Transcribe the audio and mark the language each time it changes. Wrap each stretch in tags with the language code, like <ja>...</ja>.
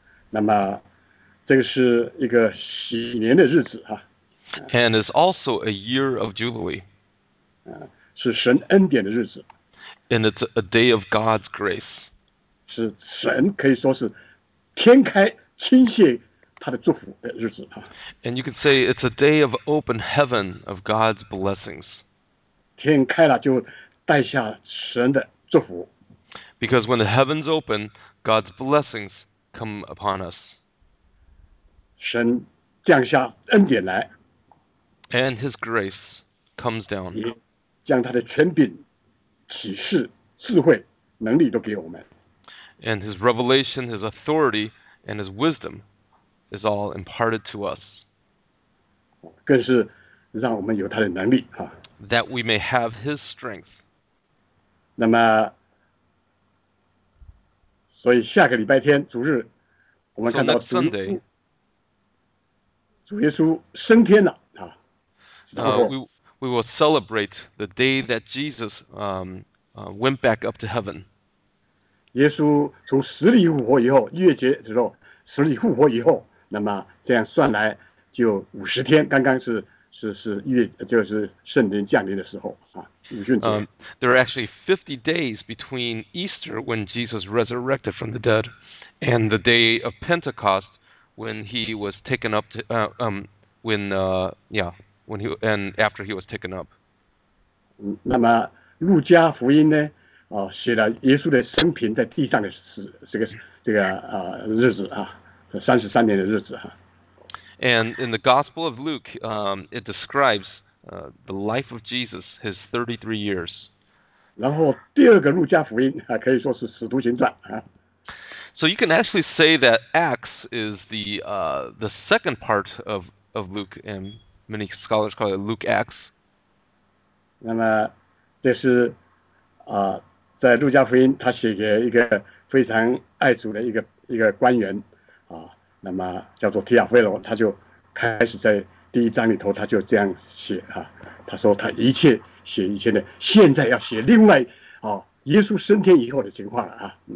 <zh>那么这个是一个喜年的日子哈。</zh> <en>And it's also a year of jubilee.</en> <zh>是神恩典的日子。</zh> <en>And it's a day of God's grace.</en> <zh>是神可以说是天开倾泻他的祝福的日子。</zh> <en>And you could say it's a day of open heaven of God's blessings.</en> <zh>天开了就带下神的祝福。</zh> <en>Because when the heavens open, God's blessings come upon us.</en> <zh>神降下恩典来。</zh> <en>And his grace comes down.</en> <zh>也将他的权柄、启示、智慧、能力都给我们。</zh> <en>And his revelation, his authority, and his wisdom is all imparted to us.</en> <zh>更是让我们有他的能力啊。</zh> <en>That we may have his strength.</en> <zh>那么，所以下个礼拜天主日，我们看到主耶稣，</zh> <en>so next Sunday,</en> <zh>主耶稣升天了。</zh> <en>We will celebrate the day that Jesus went back up to heaven.</en> <zh>耶稣从死里复活以后，逾越节的时候，死里复活以后，那么这样算来就五十天，刚刚是逾越，就是圣灵降临的时候啊，五旬节。</zh> <en>There are actually 50 days between Easter when Jesus resurrected from the dead and the day of Pentecost when he was taken up to when he and after he was taken up.</en> <zh>那么路加福音呢？写了耶稣的生平在地上的日子啊，三十三年的日子哈。</zh> <en>And in the Gospel of Luke, it describes the life of Jesus, his 33 years.</en> <zh>然后第二个路加福音啊，可以说是使徒行传啊。</zh> <en>So you can actually say that Acts is the second part of Luke and many scholars call it Luke Acts.</en> <zh>那么这是在路加福音他写给一个非常爱主的一个官员那么叫做提亚菲罗，他就开始在第一章里头他就这样写他说他一切写以前的，现在要写另外耶稣升天以后的情况了</zh>